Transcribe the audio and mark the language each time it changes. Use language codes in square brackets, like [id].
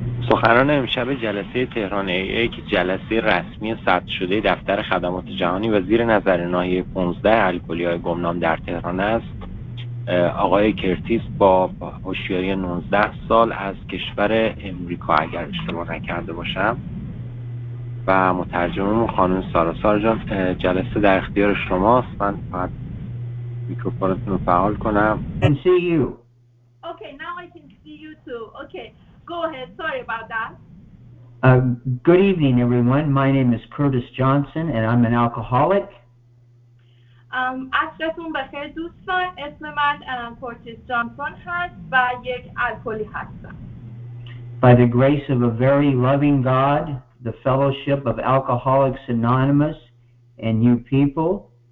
[fa] سخنران امشب جلسه تهران ای که جلسه رسمی ثبت شده دفتر خدمات جهانی و زیر نظر ناحیه 15 الکلی‌های گمنام در تهران است، آقای کرتیس با هوشیاری 19 سال از کشور امریکا اگر اشتباه نکرده باشم و مترجممون خانم سارا. سارا جان جلسه در اختیار شماست، من فقط میکروفونتون رو فعال کنم. [en] And see you. Okay, now I can see you too. Okay. Go ahead. Sorry about that. Good evening, everyone. My name is Curtis Johnson, and I'm an alcoholic. [fa] عصرتون بخیر دوستان. اسم من کورتیس جانسون هست و یک الکلی هستم. [en] By the grace of a very loving God, the Fellowship of Alcoholics Anonymous, and you people.